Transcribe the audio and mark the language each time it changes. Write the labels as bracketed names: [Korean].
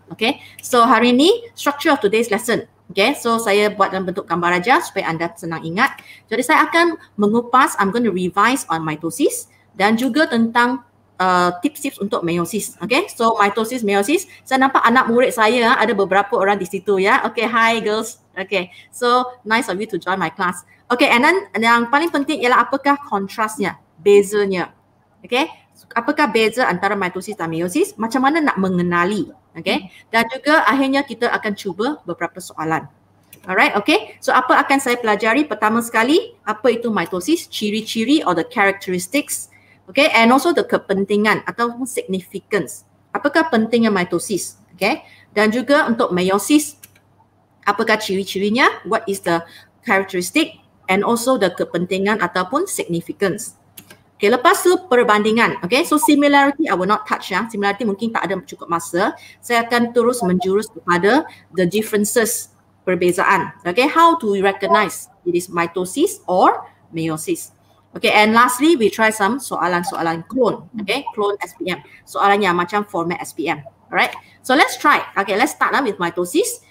[Malay] Okay, so hari ini [English] structure of today's lesson. [Malay] Okay, so saya buat dalam bentuk gambar aja supaya anda senang ingat. Jadi saya akan mengupas, [English] I'm going to revise on mitosis [Malay] dan juga tentang tips-tips untuk meiosis. [English] Okay, so mitosis, meiosis. [Malay] Saya nampak anak murid saya ada beberapa orang di situ ya. [English] Okay, hi girls. Okay, so nice of you to join my class. [Malay] Okay, and then yang paling penting ialah apakah kontrasnya, bezanya. Okay, apakah beza antara mitosis dan meiosis? Macam mana nak mengenali? Okay, dan juga akhirnya kita akan cuba beberapa soalan. Alright, okay. So apa akan saya pelajari? Pertama sekali, apa itu mitosis? Ciri-ciri [English] or the characteristics. Okay, and also the [Malay] kepentingan atau [English] significance. [Malay] Apakah pentingnya mitosis? Okay, dan juga untuk meiosis, apakah ciri-cirinya? [English] What is the characteristic? And also the [Malay] kepentingan ataupun significance. Okay, lepas tu perbandingan. [English] Okay, so similarity I will not touch ya. Similarity [Malay] mungkin tak ada cukup masa. Saya akan terus menjurus kepada [English] the differences, [Malay] perbezaan. [English] Okay, how to recognize it is mitosis or meiosis. Okay, and lastly we try some soalan-soalan clone. Okay, clone SPM. [Malay] Soalan yang macam format SPM. [English] Alright, so let's try. Okay, let's start with mitosis.